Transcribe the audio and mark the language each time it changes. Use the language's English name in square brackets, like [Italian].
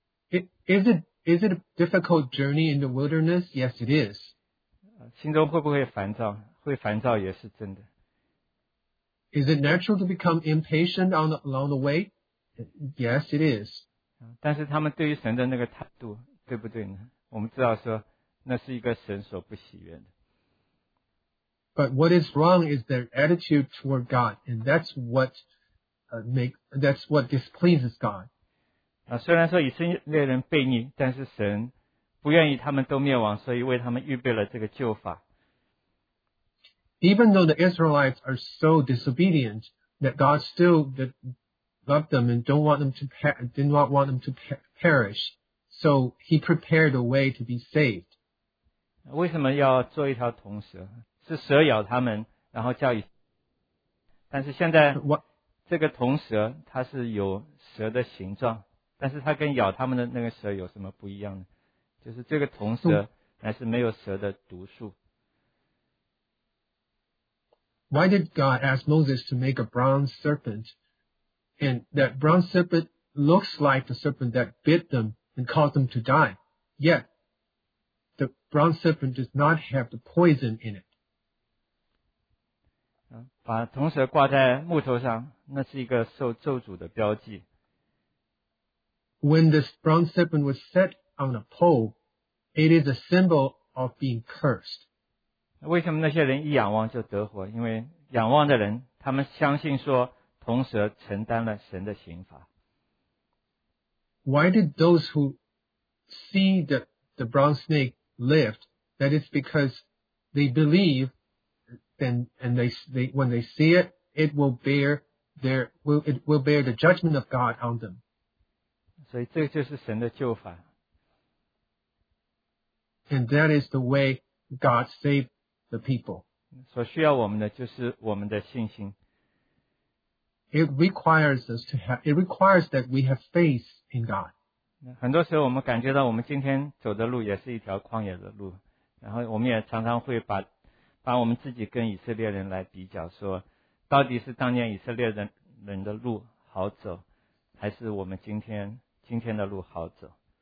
[English] Is it a difficult journey in the wilderness? Yes, it is. [Chinese] 心中会不会烦躁？会烦躁也是真的。 [English] Is it natural to become impatient along the way? Yes, it is. [Chinese] 但是他们对于神的那个态度，对不对呢？我们知道说那是一个神所不喜悦的。 [English] But what is wrong is their attitude toward God, and that's what that's what displeases God. [Chinese] 虽然说以色列人悖逆，但是神不愿意他们都灭亡，所以为他们预备了这个救法。 [English] Even though the Israelites are so disobedient that God still loved them and didn't want them to perish,So he prepared a way to be saved. [Chinese] 为什么要做一条铜蛇？是蛇咬他们，然后叫以。但是现在，这个铜蛇它是有蛇的形状，但是它跟咬他们的那个蛇有什么不一样呢？就是这个铜蛇还是没有蛇的毒素。 [English] Why did God ask Moses to make a bronze serpent? And that bronze serpent looks like the serpent that bit them. And cause them to die. Yet, the bronze serpent does not have the poison in it. [Chinese] 把铜蛇挂在木头上，那是一个受咒诅的标记。 [English] When this bronze serpent was set on a pole, it is a symbol of being cursed. [Chinese] 为什么那些人一仰望就得活？因为仰望的人，他们相信说铜蛇承担了神的刑罚。 [English] Why did those who see the brown snake lift? That is because they believe, when they see it, it will bear the judgment of God on them. [Chinese] 所以这就是神的救法。 [English] And that is the way God saved the people. [Chinese] 所需要我们的就是我们的信心。 [English] It requires that we have faith in God. [Chinese] 很多时候我们感觉到我们今天走的路也是一条旷野的路，然后我们也常常会把我们自己跟以色列人来比较，说到底是当年以色列人的路好走，还是我们今天的路好走。